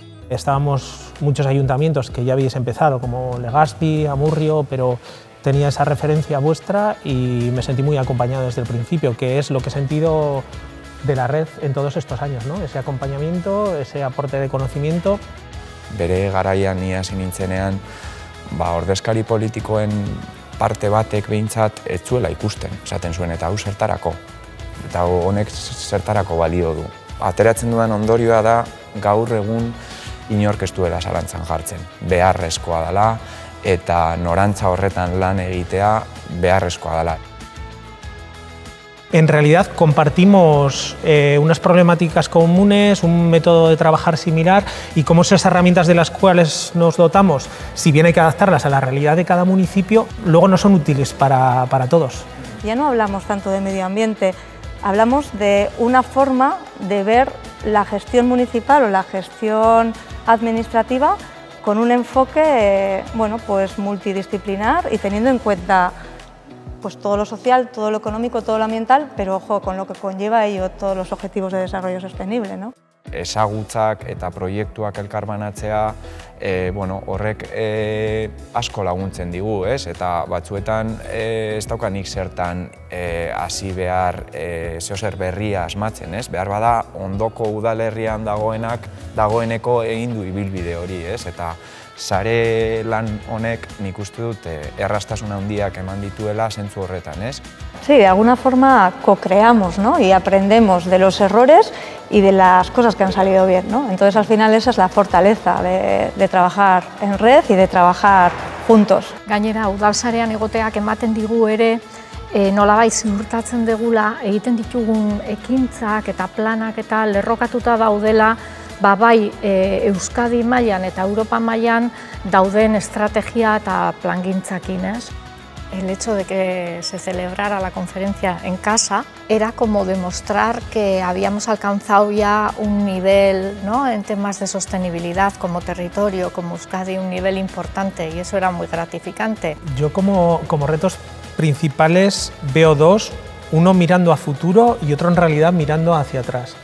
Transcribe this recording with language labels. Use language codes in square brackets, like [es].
[es] Estábamos muchos ayuntamientos que ya habíais empezado, como Legazpi, Amurrio, pero tenía esa referencia vuestra y me sentí muy acompañado desde el principio, que es lo que he sentido de la red en todos estos años, ¿no? Ese acompañamiento, ese aporte de conocimiento. [eu] Bere garaian ni hasi nintzenean, ordezkari politikoen parte batek behintzat ez zuela ikusten, esaten zuen, eta hau zertarako, eta honek zertarako balio du. Ateratzen duen ondorioa da, gaur egun inork ez duela zalantzan jartzen. Beharrezkoa dela, eta norantza horretan lan egitea beharrezkoa dela. [es] En realidad compartimos unas problemáticas comunes, un método de trabajar similar y cómo esas herramientas de las cuales nos dotamos, si bien hay que adaptarlas a la realidad de cada municipio, luego no son útiles para todos. Ya no hablamos tanto de medio ambiente, hablamos de una forma de ver la gestión municipal o la gestión administrativa con un enfoque multidisciplinar y teniendo en cuenta pues todo lo social, todo lo económico, todo lo ambiental, pero ojo, con lo que conlleva ello, todos los objetivos de desarrollo sostenible, ¿no? [eu] Ezagutzak eta proiektuak elkarbanatzea, horrek asko laguntzen digu, ez? Eta batzuetan ez daukanik zertan hasi behar zeozer berria asmatzen, ez? Behar bada ondoko udalerrian dagoeneko egin du ibilbide hori, ez? Eta sare lan honek nik uste dut erraztasun handiak eman dituela zentzu horretan, ez? [es] Sí, de alguna forma co-creamos, ¿no? Y aprendemos de los errores y de las cosas que han salido bien, ¿no? Entonces, al final, esa es la fortaleza de trabajar en red y de trabajar juntos. [eu] Gainera, udalsarean egoteak ematen digu ere, nolabait ziurtatzen degula, egiten ditugun ekintzak eta planak eta lerrokatuta daudela, bai Euskadi mailan eta Europa mailan dauden estrategia eta plangintzakin, ez? [es] El hecho de que se celebrara la conferencia en casa era como demostrar que habíamos alcanzado ya un nivel, ¿no?, en temas de sostenibilidad como territorio, como Euskadi, un nivel importante, y eso era muy gratificante. Yo como retos principales veo dos, uno mirando a futuro y otro en realidad mirando hacia atrás.